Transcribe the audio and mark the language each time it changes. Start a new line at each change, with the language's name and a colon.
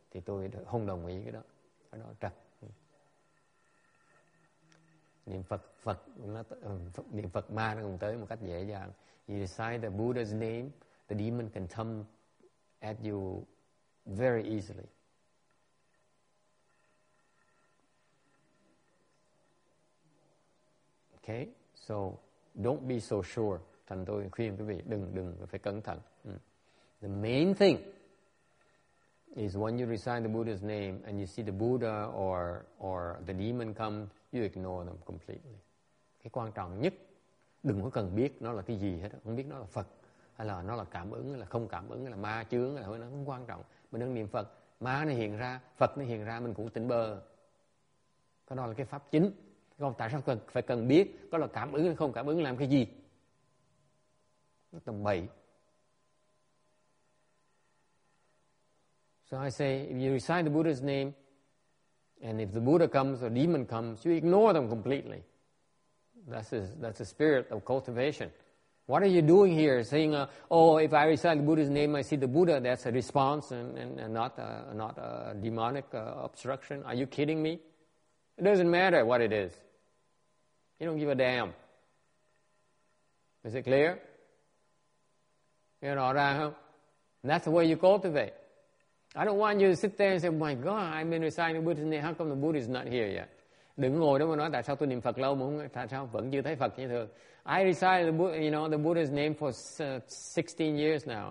Vietnamese: Thì tôi không đồng ý cái đó. Cái đó trật. Niệm Phật Phật nó niệm Phật ma nó cũng tới một cách dễ dàng.
English: You recite the Buddha's name, the demon can come at you very easily. Okay, so don't be so sure.
Vietnamese: Thành tôi khuyên quý vị đừng phải cẩn thận.
English: The main thing is when you recite the Buddha's name and you see the Buddha or the demon come, you ignore them completely.
Vietnamese: Cái quan trọng nhất, đừng có cần biết nó là cái gì hết, không biết nó là Phật hay là nó là cảm ứng, là không cảm ứng, là ma chướng, là nó không quan trọng. Mình đang niệm Phật, ma nó hiện ra, Phật nó hiện ra, mình cũng tỉnh bơ. Cái đó là cái pháp chính. Còn tại sao phải cần biết có là cảm ứng hay không cảm ứng, làm cái gì? Nó tầm bậy.
English: So I say, if you recite the Buddha's name, and if the Buddha comes or demon comes, you ignore them completely. That's the spirit of cultivation. What are you doing here? Saying, if I recite the Buddha's name, I see the Buddha, that's a response and not a demonic obstruction. Are you kidding me? It doesn't matter what it is. You don't give a damn. Is it clear?
Vietnamese: Rõ ràng không?
English: That's the way you cultivate. I don't want you to sit there and say, my God, I've been reciting the Buddha's name. How come the Buddha's not here yet?
Vietnamese: Đừng ngồi đó mà nói tại sao tôi niệm Phật lâu mà không, tại sao vẫn chưa thấy Phật như thường.
English: I recite the Buddha, you know, the Buddha's name for 16 years now.